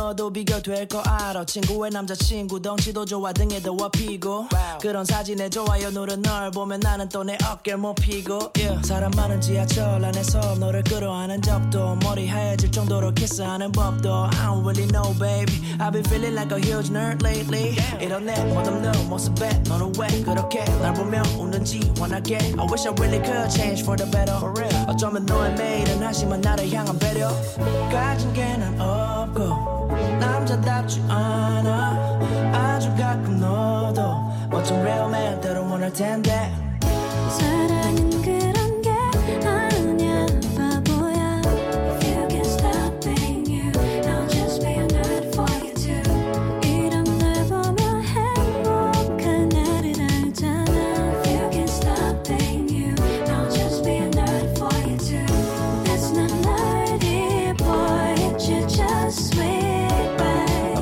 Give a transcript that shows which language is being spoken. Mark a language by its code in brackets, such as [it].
[ko] 비교되고 알아 친구의 남자친구 덩치도 좋아 등에 더 업히고 wow. 그런 사진에 좋아요 누른 널 보면 나는 또 내 어깨를 못 피고 yeah. 사람 많은 지하철 안에서 너를 끌어안은 적도 머리 하얘질 정도로 키스하는 법도 [en] I don't really know baby I've been feeling like a huge nerd lately yeah. [ko] 이런 내 멋없는 모습에 너는 왜 그렇게 날 보면 웃는지 원하게 [en] I wish I really could change for the better for real. [ko] 어쩌면 너의 매일은 하지만 나를 향한 배려 가진 게 난 없고 남자답지 않아 아주 가끔 너도 멋진 [en] real man [ko] 대로 원할 텐데 사랑은 그런 게 아니야 바보야 [en] If you can stop being you I'll just be a nerd for you too [ko] 이런 날 보면 행복한 나를 알잖아 [en] If you can stop being you I'll just be a nerd for you too That's not nerdy boy It's just sweet babe